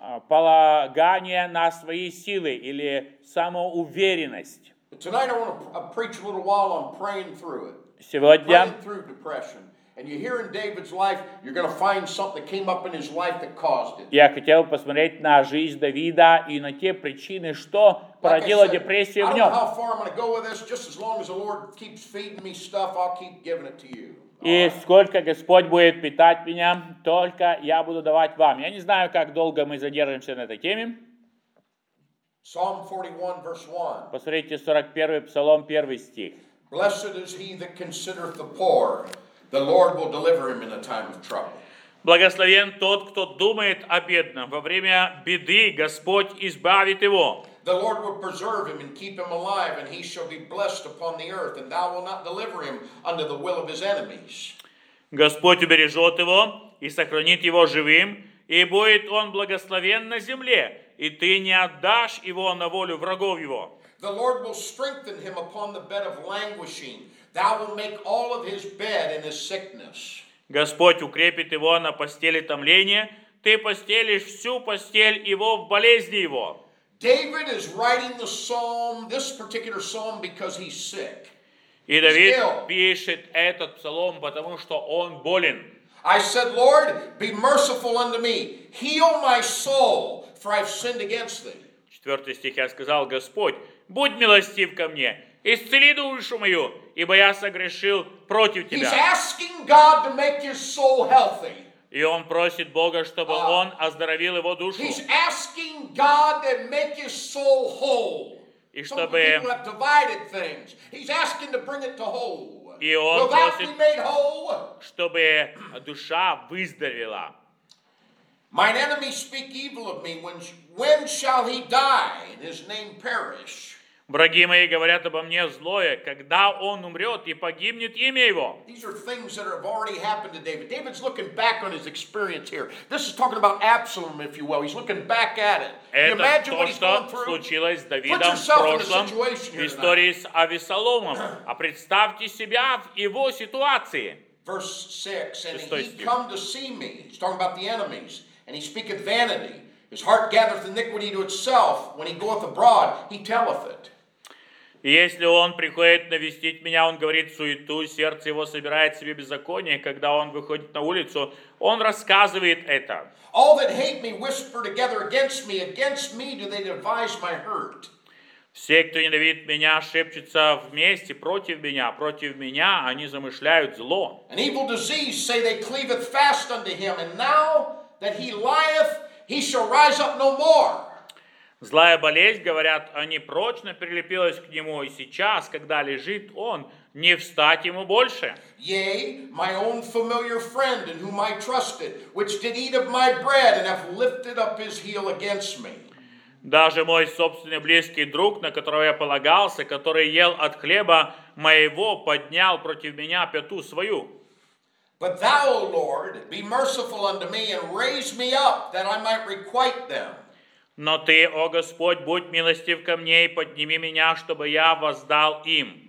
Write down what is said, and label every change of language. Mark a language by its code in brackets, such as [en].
[ru] полагание на свои силы или самоуверенность. [en] Tonight I want to preach a little while on praying through it. [ru] Сегодня [en] praying through depression. And you hear in David's life, you're going to find something that came up in his life that caused it. [ru] Я хотел посмотреть на жизнь Давида и на те причины, что породило депрессию в нем. [en] I don't know how far I'm going to go with this. Just as long as the Lord keeps feeding me stuff, I'll keep giving it to you. [ru] И сколько Господь будет питать меня, только я буду давать вам. Я не знаю, как долго мы задержимся на этой теме. [en] Psalm 41, verse 1. [ru] Посмотрите, 41 Псалом, 1 стих. [en] Blessed is he that considereth the poor. The Lord will deliver him in a time of trouble. [ru] Благословен тот, кто думает о бедном. Во время беды Господь избавит его. [en] The Lord will preserve him and keep him alive, and he shall be blessed upon the earth, and thou wilt not deliver him under the will of his enemies. [ru] Господь убережет его и сохранит его живым, и будет он благословен на земле, и ты не отдашь его на волю врагов его. [en] The Lord will strengthen him upon the bed of languishing. Thou will make all of his bed in his sickness. [ru] Господь укрепит его на постели томления. Ты постелишь всю постель его в болезни его. [en] David is writing the psalm, this particular psalm, because he's sick. [ru] И Давид пишет этот псалом, потому что он болен. [en] I said, Lord, be merciful unto me. Heal my soul, for I've sinned against thee. [ru] Четвертый стих, я сказал, Господь, будь милостив ко мне, исцели душу мою, ибо я согрешил против тебя. [en] He's asking God to make his soul healthy. [ru] И он просит Бога, чтобы он оздоровил его душу. [en] He's asking God to make his soul whole. [ru] И чтобы [en] people have divided things. He's asking to bring it to whole. [ru] И он просит, [en] made whole? [ru] Чтобы душа выздоровела. [en] Mine enemies speak evil of me. When shall he die and his name perish? [ru] Враги мои говорят обо мне злое, когда он умрет и погибнет имя его. [en] These are things that have already happened to David. David's looking back on his experience here. This is talking about Absalom, if you will. He's looking back at it. [ru] Это то, что случилось с Давидом в прошлом, в истории с Авессаломом. А представьте себя в его ситуации. [en] Verse 6, and he come to see me. He's talking about the enemies. And he speaketh vanity. His heart gathereth iniquity to itself. When he goeth abroad, he telleth it. [ru] Если он приходит навестить меня, он говорит суету, сердце его собирает себе беззаконие. Когда он выходит на улицу, он рассказывает это. [en] All that hate me whisper together against me do they devise my hurt. [ru] Все, кто ненавидит меня, шепчутся вместе против меня они замышляют зло. [en] An evil disease say they cleaveth fast unto him, and now that he lieth, he shall rise up no more. [ru] Злая болезнь, говорят, они прочно прилепилась к нему, и сейчас, когда лежит он, не встать ему больше. [en] Yea, my own familiar friend, in whom I trusted, which did eat of my bread, and have lifted up his heel against me. [ru] Даже мой собственный близкий друг, на которого я полагался, который ел от хлеба моего, поднял против меня пяту свою. [en] But thou, O Lord, be merciful unto me, and raise me up, that I might requite them. [ru] Но ты, о Господь, будь милостив ко мне и подними меня, чтобы я воздал им.